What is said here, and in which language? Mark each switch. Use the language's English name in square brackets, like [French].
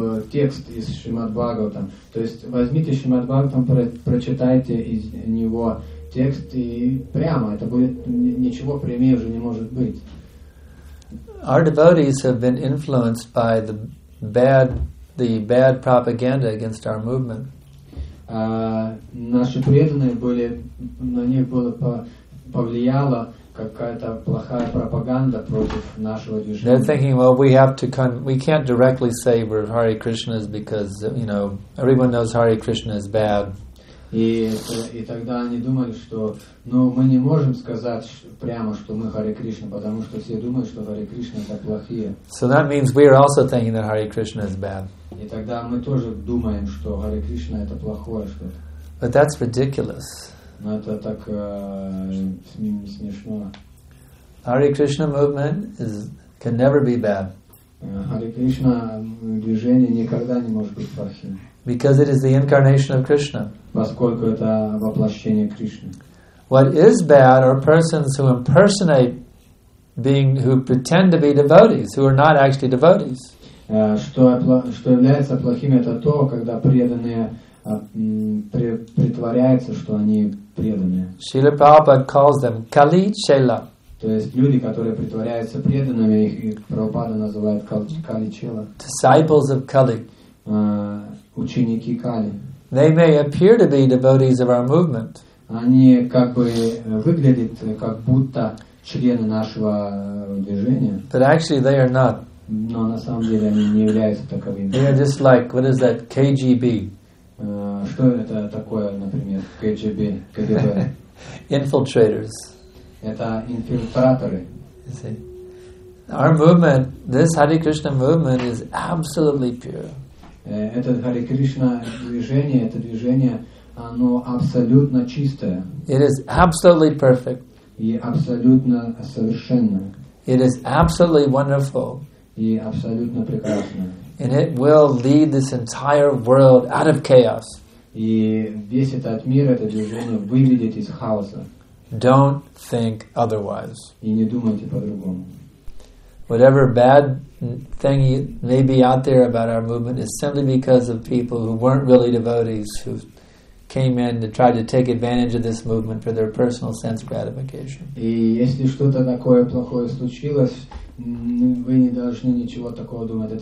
[Russian] Текст из Шримад-Бхагаватам. То есть возьмите Шримад-Бхагаватам, прочитайте из него текст и прямо. Это будет ничего прямее уже не может быть. [English] Our devotees have been influenced by the bad propaganda against our movement. [Russian] Наши преданные были, на них было повлияло какая-то плохая пропаганда против нашего движения. [English] They're thinking, well, we have to we can't directly say we're Hare Krishna's because, you know, everyone knows Hare Krishna is bad. [Russian] И тогда они думали, что, ну, мы не можем сказать прямо, что мы Hare Krishna, потому что все думают, что Hare Krishna это плохие. [English] So that means we are also thinking that Hare Krishna is bad. [Russian] И тогда мы тоже думаем, что Hare Krishna это плохое что-то. [English] But that's ridiculous. Hare Krishna movement can never be bad. [Russian] Hare Krishna движение никогда не может быть плохим. [English] Because it is the incarnation of Krishna. [Russian] Поскольку это воплощение Кришны. [English] What is bad are persons who impersonate being who pretend to be devotees who are not actually devotees. [Russian] Что является плохим это то, когда преданные притворяются, что они преданные. [English] Srila Prabhupada calls them Kali Chela. [Russian] То есть люди, которые притворяются преданными, их Прабхупада называет Kali Chela. [English] Disciples of Kali. [Russian] Ученики Кали. [English] They may appear to be devotees of our movement. [Russian] Они как бы выглядят как будто члены нашего движения. [English] But actually they are not. [Russian] Но на самом деле они не являются таковыми. [English] They are just like, what is that, KGB. [Russian] Что это такое, например, KGB, KGB? [English] Infiltrators. [Russian] Это инфильтраторы. [English] Our movement, this Hare Krishna movement is absolutely pure. [Russian] Это Hare Krishna движение, это движение, оно абсолютно чистое. [English] It is absolutely perfect. [Russian] И абсолютно совершенное. [English] It is absolutely wonderful. [Russian] И абсолютно прекрасное. [English] And it will lead this entire world out of chaos. [Russian] И весь этот мир, это движение выведет из хаоса. [English] Don't think otherwise. [Russian] И не думайте по-другому. [English] Whatever bad thing may be out there about our movement is simply because of people who weren't really devotees who came in to try to take advantage of this movement for their personal sense gratification. [Russian] И если что-то такое плохое случилось, вы не должны ничего такого думать.